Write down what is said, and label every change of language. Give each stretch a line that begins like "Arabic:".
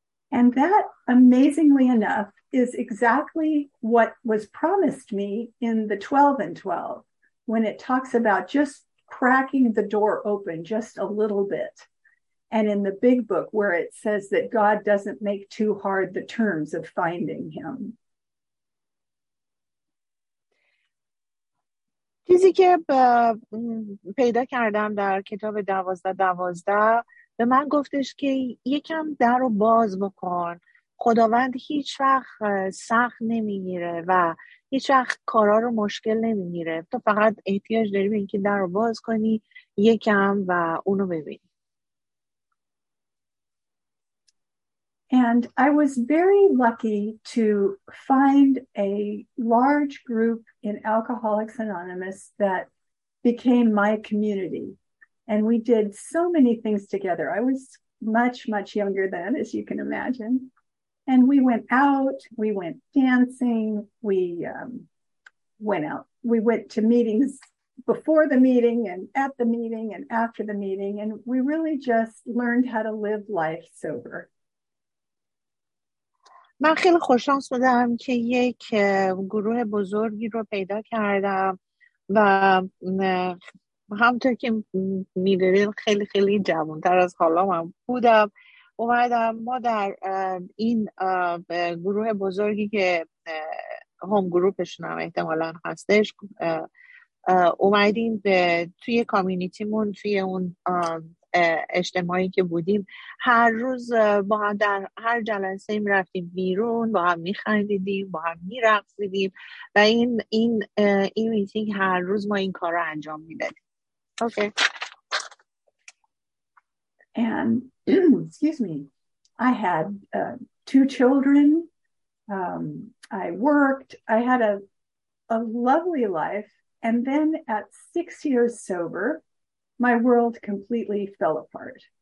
English: And that amazingly enough is exactly what was promised me in the 12 and 12 when it talks about just cracking the door open just a little bit. And in the big book where it says that God doesn't make too hard the terms of finding him.
Persian: چیزی که پیدا کردم در کتاب 12:12 به من گفتش که یکم در رو باز بکن. خداوند هیچ وقت سخت نمیگیره و هیچ وقت کارا رو مشکل نمیگیره. تو فقط احتیاج داری به اینکه در رو باز کنی یکم و اونو ببینی.
English: And I was very lucky to find a large group in Alcoholics Anonymous that became my community. And we did so many things together. I was much, much younger then, as you can imagine. And we went out, we went dancing, we went to meetings before the meeting and at the meeting and after the meeting. And we really just learned how to live life sober.
Persian: من خیلی خوششانس بودم که یک گروه بزرگی رو پیدا کردم و همونطور که می‌دونید خیلی خیلی جوان‌تر از حالا من بودم. اومدم ما در این گروه بزرگی که هوم گروپشون هم احتمالاً هستش اومدیم به توی کامیونیتیمون توی اون اجتماعی که بودیم هر روز با هم در هر جلسه می رفتیم بیرون با هم می خندیدیم با هم می رقصیدیم و این میتینگ هر روز ما این کار رو انجام می دادیم.
English: Okay. And excuse me, I had two children, I worked, I had a lovely life, and then at 6 years sober my world completely fell apart.